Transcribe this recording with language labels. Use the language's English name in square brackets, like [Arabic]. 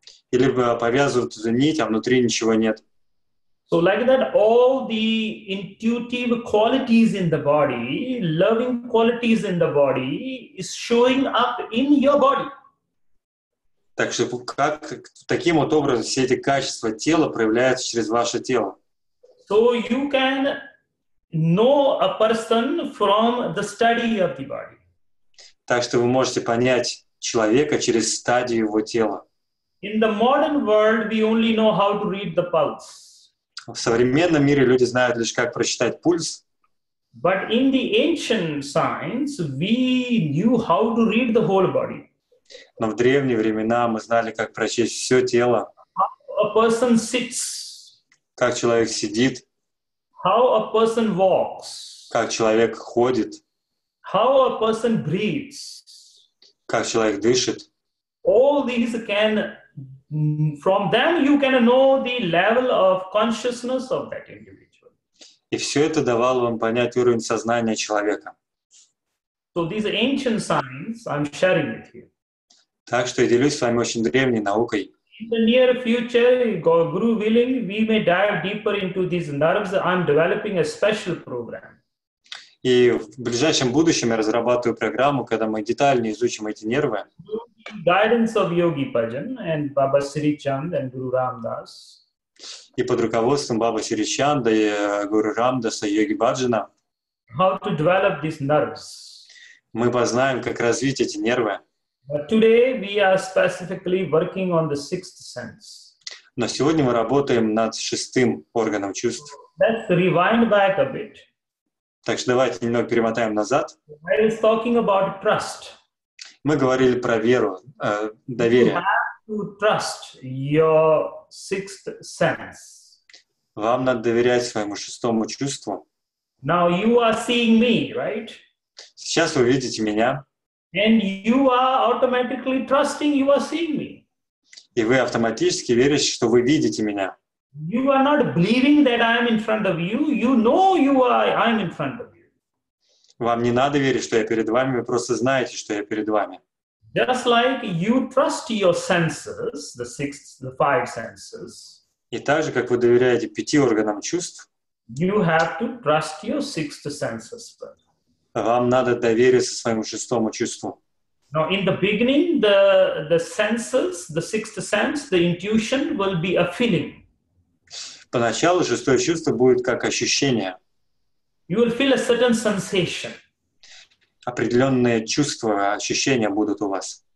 [Russian] Или повязывают эту нить, а внутри ничего нет. [English] So like that, all the intuitive qualities in the body, loving qualities in the body, is showing up in your body. [Russian] Так что как таким вот образом все эти качества тела проявляются через ваше тело? [English] So you can know a person from the study of the body. [Russian] Так что вы можете понять человека через стадию его тела. [English] In the modern world, we only know how to read the pulse. [Russian] В современном мире люди знают лишь как прочитать пульс. [English] But in the ancient science, we knew how to read the whole body. [Russian] Но в древние времена мы знали, как прочесть все тело. [English] How a person sits. [Russian] Как человек сидит. [English] How a person walks. [Russian] Как человек ходит. [English] How a person breathes. [Russian] Как человек дышит. [English] All these can, from them you can know the level of consciousness of that individual. [Russian] И все это давало вам понять уровень сознания человека. [English] So these ancient signs I'm sharing with you. [Russian] Так что я делюсь с вами очень древней наукой. [English] In the near future, Guru willing, we may dive deeper into these nerves. I'm developing a special program. [Russian] И в ближайшем будущем я разрабатываю программу, когда мы детальнее изучим эти нервы. [English] Guidance of Yogi Bhajan and Baba Sri Chand and Guru Ram Das. [Russian] И под руководством Бабы Шри Чанда и Гуру Рам Даса и Йоги Баджана. [English] How to develop these nerves. [Russian] Мы познаем, как развить эти нервы. [English] But today we are specifically working on the sixth sense. [Russian] Но сегодня мы работаем над шестым органом чувств. [English] Let's rewind back a bit. [Russian] Так что давайте немного перемотаем назад. [English] I was talking about trust. [Russian] Мы говорили про веру, доверие. [English] You have to trust your sixth sense. [Russian] Вам надо доверять своему шестому чувству. [English] Now you are seeing me, right? [Russian] Сейчас вы видите меня. [English] And you are automatically trusting you are seeing me. [Russian] И вы автоматически верите, что вы видите меня. [English] You are not believing that I am in front of you. You know you are, I am in front of you. [Russian] Вам не надо верить, что я перед вами. Вы просто знаете, что я перед вами. [English] Just like you trust your senses, the five senses. [Russian] И так же, как вы доверяете пяти органам чувств. [English] You have to trust your sixth senses first. [Russian] Вам надо довериться своему шестому чувству. [English] Now, in the beginning, the senses, the sixth sense, the intuition will be a feeling. [Russian] Поначалу шестое чувство будет как ощущение. [English] You will feel a certain sensation. [Russian] Определенные чувства, ощущения будут у вас.